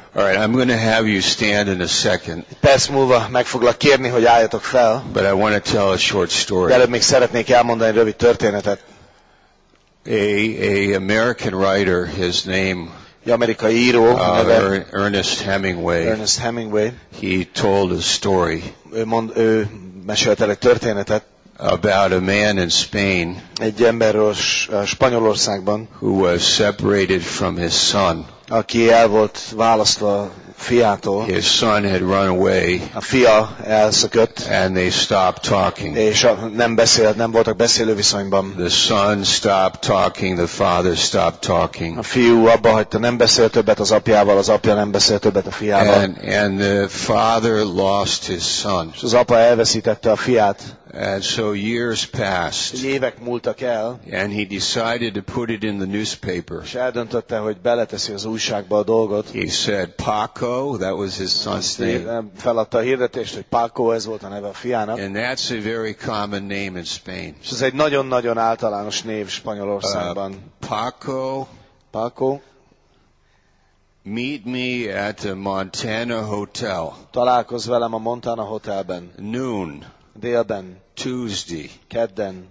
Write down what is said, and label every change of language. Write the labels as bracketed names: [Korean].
[English] All right, I'm going to have you stand in a second. [Hungarian] Perc múlva meg foglak kérni, hogy álljatok fel. [English] But I want to tell a short story. [Hungarian] De előbb még szeretnék elmondani egy rövid történetet. [English] A American writer, his name, [Hungarian] amerikai író, neve, [English] Ernest Hemingway. [Hungarian] Ernest Hemingway. [English] He told a story. [Hungarian] Ő mesélt el egy történetet. [English] About a man in Spain, [Hungarian] egy emberről Spanyolországban, [English] who was separated from his son. [Hungarian] Aki el volt választva fiától. [English] His son had run away. [Hungarian] A fia elszökött. [English] And they stopped talking. [Hungarian] És nem voltak beszélő viszonyban. [English] The son stopped talking, the father stopped talking. [Hungarian] A fiú abba hagyta, nem beszélt többet az apjával, az apja nem beszélt többet a fiával. [English] And the father lost his son. [Hungarian] És az apa elveszítette a fiát. [English] And so years passed. [Hungarian] Évek múltak el. [English] And he decided to put it in the newspaper. [Hungarian] És eldöntötte, hogy beleteszi az újságba a dolgot. [English] He said Paco, that was his son's name. [Hungarian] Feladta a hirdetést, hogy Paco, ez volt a neve a fiának. [English] And that's a very common name in Spain. [Hungarian] Ez egy nagyon-nagyon általános név Spanyolországban. [English] Paco. [Hungarian] Paco. [English] Meet me at the Montana Hotel. [Hungarian] Találkozz velem a Montana Hotelben. [English] Noon. [Hungarian] Délben, [English] Tuesday, [Hungarian] kedden,